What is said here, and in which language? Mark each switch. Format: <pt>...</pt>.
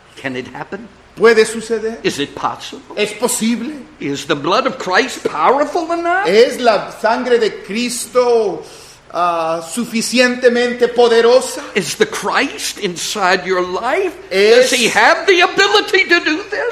<en>Can it happen?</en> <es>¿Puede suceder?</es> <en>Is it possible?</en> <es>¿Es posible?</es> <en>Is the blood of Christ powerful enough?</en> <es>¿Es la sangre de Cristo suficientemente poderosa?</es> <en>Is the Christ inside your life? Does he have the ability to do this?</en>